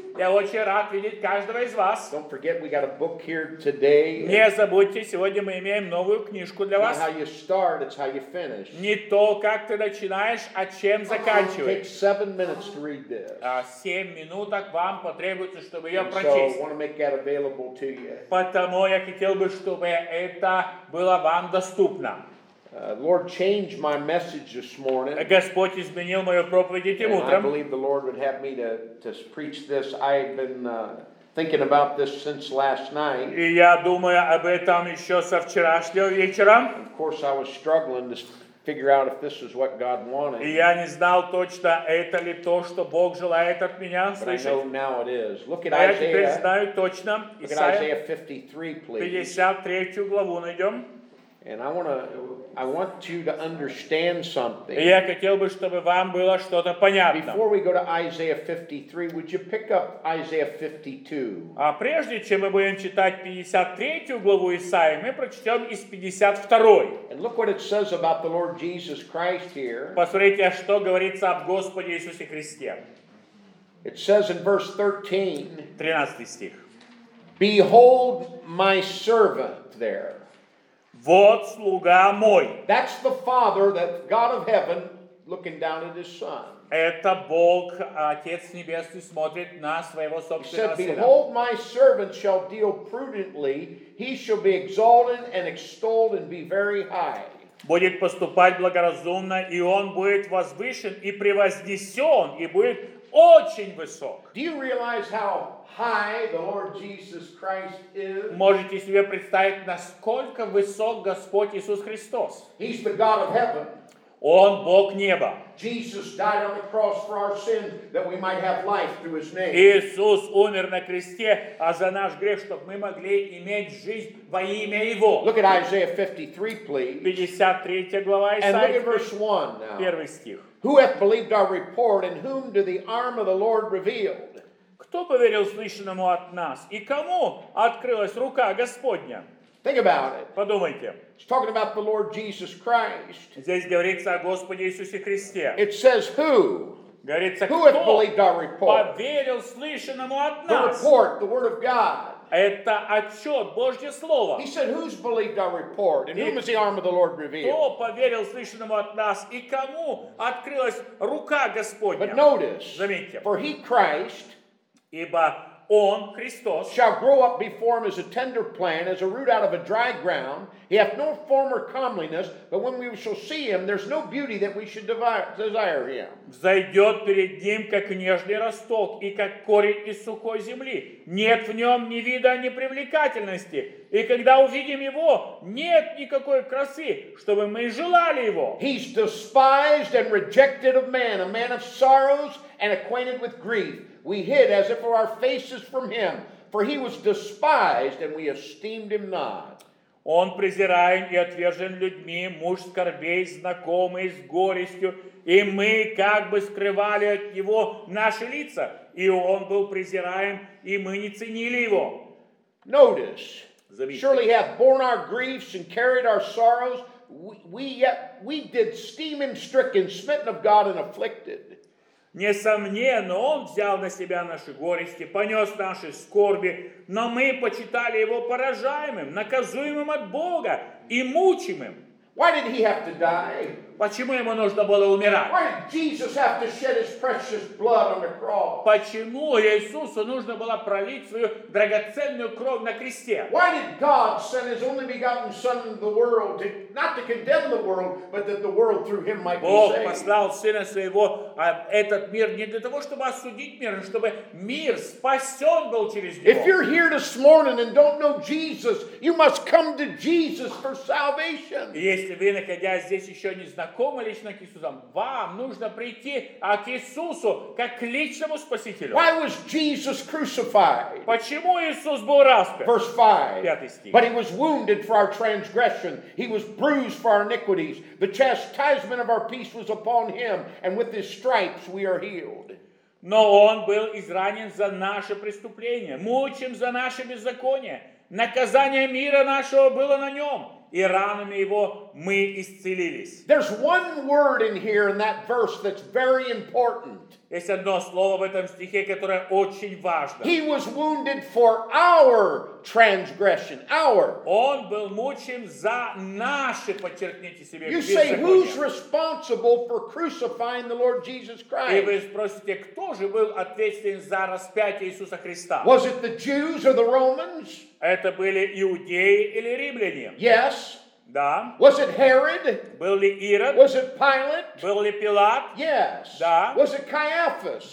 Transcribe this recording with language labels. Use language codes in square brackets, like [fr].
[ru] Я очень рад видеть каждого из вас. [en] Don't forget, we got a book here today. [ru] Не забудьте, сегодня мы имеем новую книжку для вас. [en] Not how you start, it's how you finish. [ru] Не то, как ты начинаешь, а чем заканчиваешь. [en] It takes 7 minutes to read this. [ru] 7 минуток вам потребуется, чтобы ее [en] And [ru] прочесть. [en] So I want to make that available to you. [ru] Потому я хотел бы, чтобы это было вам доступно. [en] Lord, change my message this morning. [ru] Господь изменил мою проповедь этим утром. [en] And I believe the Lord would have me to preach this. I had been thinking about this since last night. [ru] И я думаю об этом еще со вчерашнего вечера. [en] Of course, I was struggling to figure out if this is what God wanted. [ru] И я не знал точно, это ли то, что Бог желает от меня слышать. [en] But I know now it is. Look at [ru] Isaiah. Я теперь знаю точно. [en] Look at Isaiah 53, please. [ru] 53 главу найдем. [en] And I want you to understand something. [ru] Я хотел бы, чтобы вам было что-то понятно. [en] Before we go to Isaiah 53, would you pick up Isaiah 52? [ru] А прежде чем мы будем читать 53 главу Исаии, мы прочтем из 52. [en] And look what it says about the Lord Jesus Christ here. [ru] Посмотрите, что говорится об Господе Иисусе Христе. [en] It says in verse 13. [ru] 13 стих. [en] Behold my servant there. [ru] Вот слуга мой. [en] That's the Father, that God of heaven, looking down at His Son. [ru] Это Бог, Отец Небесный, смотрит на своего собственного сына. [en] He said, "Behold, my servant shall deal prudently; he shall be exalted and extolled and be very high." [ru] Будет поступать благоразумно, и он будет возвышен и превознесен, и будет очень высок. [en] Do you realize how high the Lord Jesus Christ is? [ru] Можете себе представить, насколько высок Господь Иисус Христос? [en] He's the God of heaven. [ru] Он Бог неба. [en] Jesus died on the cross for our sins that we might have life through His name. [ru] Иисус умер на кресте, а за наш грех, чтобы мы могли иметь жизнь во имя Его. [en] Look at Isaiah 53, please. [ru] 53 глава Исаии. [en] And look at verse 1 now. [ru] Первый стих. [en] Who hath believed our report, and whom do the arm of the Lord reveal? [ru] Кто поверил слышанному от нас, и кому открылась рука Господня? [en] Think about it. [ru] Подумайте. [en] It's talking about the Lord Jesus Christ. [ru] Здесь говорится о Господе Иисусе Христе. [en] It says who? [ru] Говорится, [en] who hath believed our report? [ru] Поверил слышанному от [en] the [ru] нас. [en] The report, the word of God. [ru] Это отчет Божье слово. [en] He said, "Who's believed our report, and whom is the arm of the Lord revealed?" [ru] Кто поверил слышанному от нас и кому открылась рука Господня? [en] But notice, [ru] заметьте, [en] for He Christ, [ru] ибо Он Христос, [en] shall grow up before Him as a tender plant, as a root out of a dry ground. He hath no former comeliness, but when we shall see Him, there's no beauty that we should desire Him. [ru] Взойдет перед Ним, как нежный росток, и как корень из сухой земли. Нет в Нем ни вида, ни привлекательности. И когда увидим Его, нет никакой красы, чтобы мы желали Его. [en] He's despised and rejected of man, a man of sorrows and acquainted with grief. We hid as if our faces from Him, for He was despised and we esteemed Him not. [ru] Он презираем и отвержен людьми, муж скорбей, знакомый с горестью, и мы как бы скрывали от Него наши лица, и Он был презираем, и мы не ценили Его. [en] Notice, [ru] заметьте. [en] Surely hath borne our griefs and carried our sorrows, we did esteem Him stricken, smitten of God and afflicted. [ru] Несомненно, Он взял на Себя наши горести, понес наши скорби, но мы почитали Его поражаемым, наказуемым от Бога и мучимым. [en] Why did He have to die? [ru] Почему Ему нужно было умирать? [en] Why did Jesus have to shed His precious blood on the cross? [ru] Почему Иисусу нужно было пролить свою драгоценную кровь на кресте? [en] Why did God send His only begotten Son into the world, not to condemn the world, but that the world through Him might be saved? [ru] Бог послал Сына Своего в этот мир не для того, чтобы осудить мир, а чтобы мир спасен был через Него. [en] If you're here this morning and don't know Jesus, you must come to Jesus for salvation. [ru] Если вы, находясь здесь, еще не знакомы лично к Иисусу, вам нужно прийти к Иисусу как к личному Спасителю. [en] Why was Jesus crucified? [ru] Почему Иисус был распят? [en] Verse 5. [ru] 5 стих. [en] But He was wounded for our transgression. He was bruised for our iniquities. The chastisement of our peace was upon Him, and with His stripes we are healed. [ru] Но Он был изранен за наше преступление, мучим за наше беззаконие. Наказание мира нашего было на Нем. и ранами его мы исцелились. [en] There's one word in here in that verse that's very important. [ru] Есть одно слово в этом стихе, которое очень важно. [en] He was wounded for our transgression, our. [ru] Он был мучен за наши, подчеркните себе, [en] You say, who's responsible for crucifying the Lord Jesus Christ? [ru] И вы спросите, кто же был ответственен за распятие Иисуса Христа? [en] Was it the Jews or the Romans? [ru] Это были иудеи или римляне? [en] Yes. [ru] Да. [en] Was it Herod? [ru] Был ли Ирод? [en] Was it Pilate? [ru] Был ли Пилат? [en] Yes. [ru] Да. [en] Was it Caiaphas?